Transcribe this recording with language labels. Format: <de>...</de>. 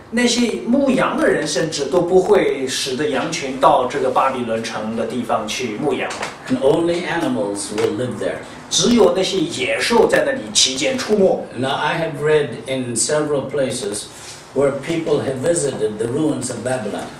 <zh>那些牧羊的人甚至都不会使得羊群到这个巴比伦城的地方去牧羊。</zh> <en>And only animals will live there.</en> <zh>只有那些野兽在那里其间出没。</zh> <en>Now I have read in several places where people have visited the ruins of Babylon.</en>